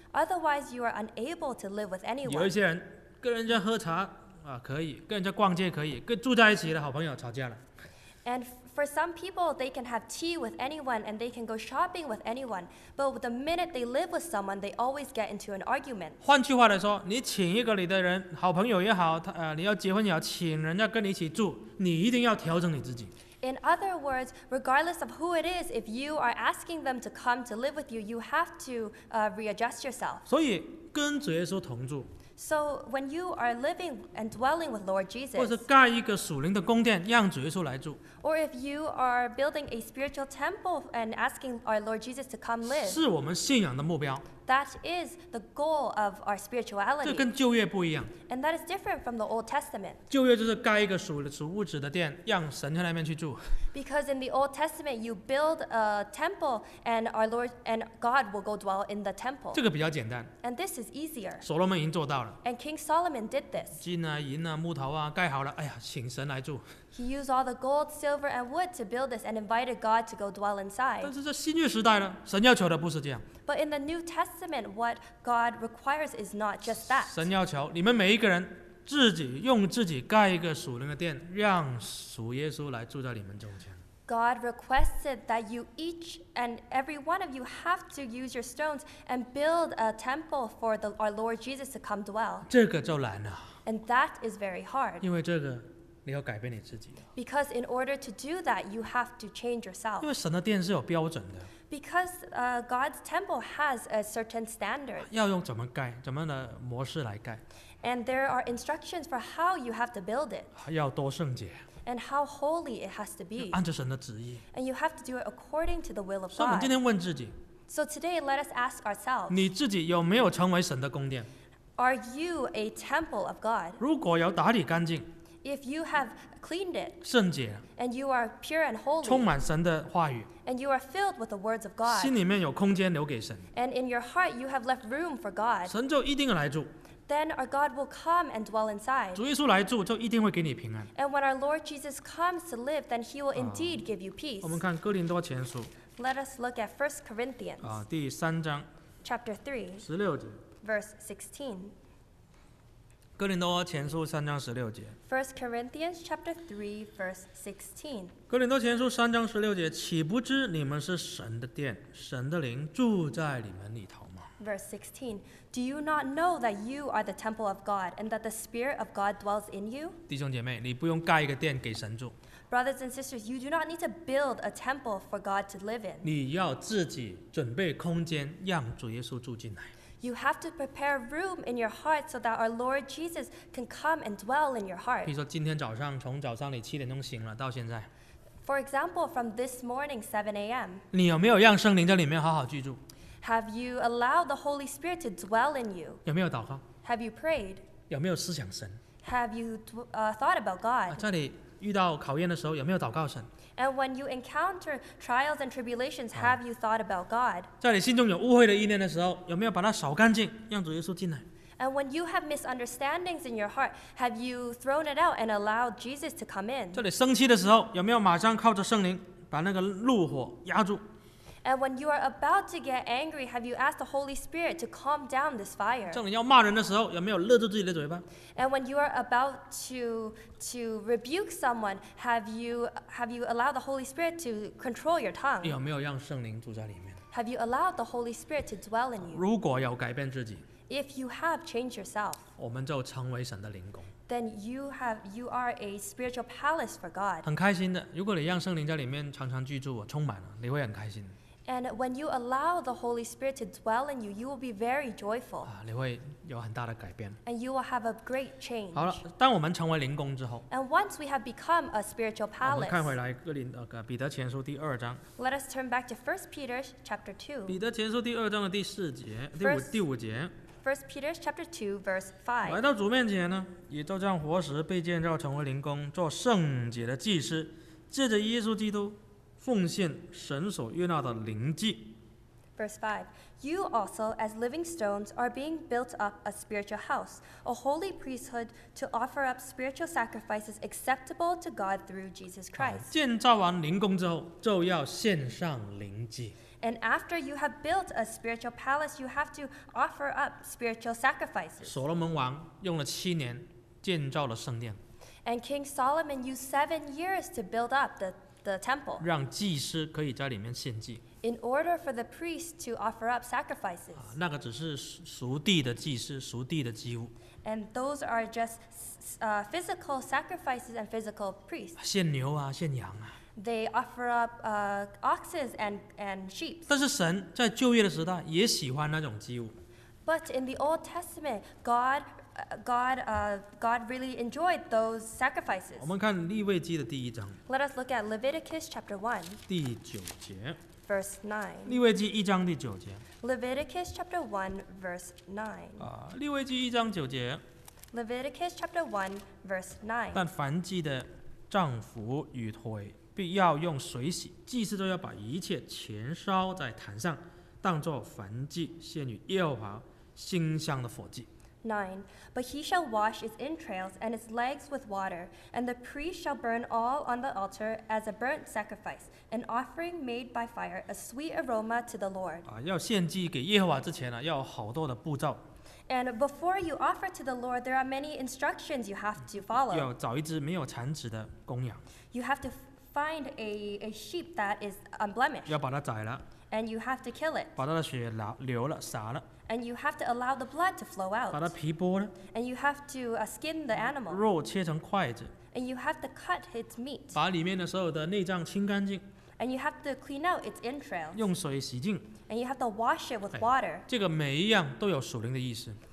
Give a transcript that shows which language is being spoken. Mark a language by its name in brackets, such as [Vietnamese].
[English] Otherwise, you are unable to live with anyone. [Chinese] 有一些人跟人家喝茶啊，可以，跟人家逛街可以，跟住在一起的好朋友吵架了。 [English] And for some people, they can have tea with anyone and they can go shopping with anyone. But the minute they live with someone, they always get into an argument. [Chinese] 换句话来说，你请一个你的人，好朋友也好，你要结婚也好，请人家跟你一起住，你一定要调整你自己。 [English] In other words, regardless of who it is, if you are asking them to come to live with you, you have to readjust yourself. [Chinese] 所以跟主耶稣同住。 [English] So when you are living and dwelling with Lord Jesus, [Chinese] 或是盖一个属灵的宫殿，让主耶稣来住。 [English] Or if you are building a spiritual temple and asking our Lord Jesus to come live, [Chinese] 是我们信仰的目标。 [English] That is the goal of our spirituality. [Chinese] 这跟旧约不一样。 [English] And that is different from the Old Testament. [Chinese] 旧约就是盖一个属物质的殿，让神在那边去住。 [English] Because in the Old Testament, you build a temple, and our Lord and God will go dwell in the temple. [Chinese] 这个比较简单。 [English] And this is easier. [Chinese] 所罗门已经做到了。 [English] And King Solomon did this. [Chinese] 金啊银啊木头啊盖好了，哎呀，请神来住。 [English] He used all the gold, silver, and wood to build this and invited God to go dwell inside. [Chinese] 但是在新约时代呢，神要求的不是这样。 [English] But in the New Testament, what God requires is not just that. [Chinese] 神要求你们每一个人自己用自己盖一个属灵的殿，让主耶稣来住在你们中间。 [English] God requested that you each and every one of you have to use your stones and build a temple for our Lord Jesus to come dwell. [Chinese] 这个就难了。 [English] And that is very hard. [Chinese] 因为这个。你要改变你自己。 [English] Because in order to do that, you have to change yourself. [Chinese] 因为神的殿是有标准的。 [English] Because God's temple has a certain standard. [Chinese] 要用怎么盖，怎么的模式来盖。 [English] And there are instructions for how you have to build it. [Chinese] 要多圣洁。 [English] And how holy it has to be. [Chinese] 按着神的旨意。 [English] And you have to do it according to the will of God. [Chinese] 所以我们今天问自己。 [English] So today, let us ask ourselves. [Chinese] 你自己有没有成为神的宫殿？ [English] Are you a temple of God? [Chinese] 如果要打理干净。 [English] If you have cleaned it, [Chinese] 圣洁, [English] and you are pure and holy, [Chinese] 充满神的话语, [English] and you are filled with the words of God, [Chinese] 心里面有空间留给神, [English] and in your heart you have left room for God, [Chinese] 神就一定来住, [English] then our God will come and dwell inside. [Chinese] 主耶稣来住就一定会给你平安, [English] and when our Lord Jesus comes to live, then he will indeed give you peace. [Chinese] 我们看哥林多前书, [English] let us look at 1 Corinthians, [Chinese] 第三章, [English] chapter [Chinese] 3, 十六节, [English] verse 16. [Chinese] 哥林多前书三章十六节。 [English] First Corinthians chapter three verse 16。 [Chinese] 哥林多前书三章十六节，岂不知你们是神的殿，神的灵住在你们里头吗 [English] ？Verse 16, do you not know that you are the temple of God and that the Spirit of God dwells in you？ [Chinese] 弟兄姐妹，你不用盖一个殿给神住。 [English] Brothers and sisters, you do not need to build a temple for God to live in。 [Chinese] 你要自己准备空间，让主耶稣住进来。 [English] You have to prepare room in your heart so that our Lord Jesus can come and dwell in your heart. [Chinese] 比如说今天早上从早上你七点钟醒了到现在。 [English] For example, from this morning, 7 a.m. [Chinese] 你有没有让圣灵在里面好好居住？ [English] Have you allowed the Holy Spirit to dwell in you? [Chinese] 有没有祷告？ [English] Have you prayed? [Chinese] 有没有思想神？ [English] Have you thought about God? [Chinese] 在你遇到考验的时候有没有祷告神？ [English] And when you encounter trials and tribulations, have you thought about God? [Chinese] 在你心中有误会的意念的时候有没有把它扫干净让主耶稣进来？ [English] And when you have misunderstandings in your heart, have you thrown it out and allowed Jesus to come in? [Chinese] 在你生气的时候有没有马上靠着圣灵把那个怒火压住？ [English] And when you are about to get angry, have you asked the Holy Spirit to calm down this fire? [Chinese] 在你要骂人的时候有没有勒住自己的嘴巴？ [English] And when you are about to rebuke someone, have you allowed the Holy Spirit to control your tongue? [Chinese] 有没有让圣灵住在里面？ [English] Have you allowed the Holy Spirit to dwell in you? [Chinese] 如果有改变自己， [English] If you have changed yourself, [Chinese] 我们就成为神的灵宫。 [English] Then you are a spiritual palace for God. [Chinese] 很开心的，如果你让圣灵在里面常常居住，充满了，你会很开心。 [English] And when you allow the Holy Spirit to dwell in you, you will be very joyful. [Chinese] 啊，你会有很大的改变。 [English] And you will have a great change. [Chinese] 好了，当我们成为灵宫之后。 [English] And once we have become a spiritual palace. [Chinese] 我们看回来彼得前书第二章。 [English] Let us turn back to 1 Peter chapter 2. [Chinese] 彼得前书第二章的第四节，第五节。 [English] First Peter chapter 2 verse 5. [Chinese] 来到主面前呢，也照样活时被建造成为灵宫，做圣洁的祭司，借着耶稣基督。奉献神所悦纳的灵祭。 [English] Verse 5, you also, as living stones, are being built up a spiritual house, a holy priesthood to offer up spiritual sacrifices acceptable to God through Jesus Christ. [Chinese] 建造完灵宫之后，就要献上灵祭。 [English] And after you have built a spiritual palace, you have to offer up spiritual sacrifices. [Chinese] 所罗门王用了七年建造了圣殿。 [English] And King Solomon used 7 years to build up the temple, [Chinese] 让祭司可以在里面献祭。 [English] In order for the priest to offer up sacrifices, [Chinese] 啊，那个只是属地的祭司，属地的祭物。 [English] And those are just physical sacrifices and physical priests. [Chinese] 献牛啊，献羊啊。 [English] They offer up oxes and sheep. [Chinese] 但是神在旧约的时代也喜欢那种祭物。 [English] But in the Old Testament, God really enjoyed those sacrifices. [Chinese] 我们看利未记的第一章。 [English] Let us look at Leviticus chapter 1. [Chinese] 第九节。 [English] Verse 9. [Chinese] 利未记一章第九节。 [English] Leviticus chapter 1 verse 9. [Chinese] 利未记一章九节。 [English] Leviticus chapter 1 verse 9. [Chinese] 但凡祭的帐幅与腿必要用水洗，祭司都要把一切前烧在坛上，当作燔祭献与耶和华馨香的火祭。 [English] 9. But he shall wash his entrails and his legs with water, and the priest shall burn all on the altar as a burnt sacrifice, an offering made by fire, a sweet aroma to the Lord. [Chinese] 啊，要献祭给耶和华之前呢，要好多的步骤。 [English] And before you offer to the Lord, there are many instructions you have to follow. [Chinese] 要找一只没有残疾的公羊。 [English] You have to find a sheep that is unblemished. [Chinese] 要把它宰了。 [English] And you have to kill it. [Chinese] 把它的血流了，洒了。 [English] And you have to allow the blood to flow out. [Chinese] 把它皮剥了。 [English] And you have to skin the animal. [Chinese] 肉切成筷子。 [English] And you have to cut its meat. [Chinese] 把里面的所有的内脏清干净。 [English] And you have to clean out its entrails. [Chinese] 用水洗净。 [English] And you have to wash it with water. [Chinese] 这个每一样都有属灵的意思。